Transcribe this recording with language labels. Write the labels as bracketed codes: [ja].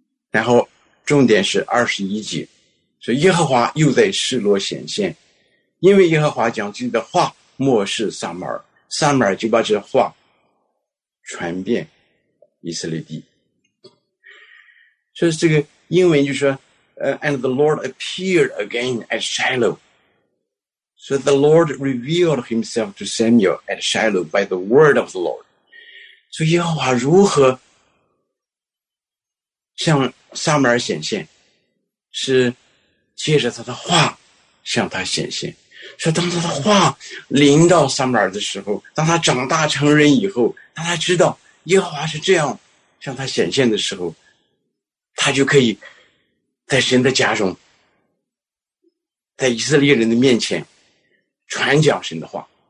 [zh] 然后重点是21节说耶和华又在示罗显现。因为耶和华讲自己的话漠视撒母耳撒母耳就把这话传遍以色列地。所以这个英文就说 [en] And the Lord appeared again at Shiloh. So the Lord revealed himself to Samuel at Shiloh by the word of the Lord. [zh] 所以耶和华如何向撒母耳显现是借着他的话向他显现。所以当他的话临到撒母耳的时候当他长大成人以后当他知道耶和华是这样向他显现的时候他就可以在神的家中在以色列人的面前传讲神的话。